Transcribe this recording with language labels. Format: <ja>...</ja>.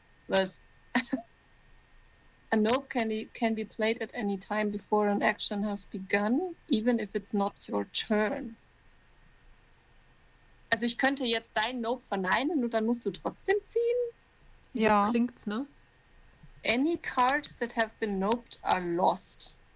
<en>A nope can be played at any time before an action has begun, even if it's not your turn.</en> <de>Also ich könnte jetzt dein Nope verneinen und dann musst du trotzdem ziehen? Ja. So klingt's, ne?</de> <en>Any cards that have been noped are lost.</en>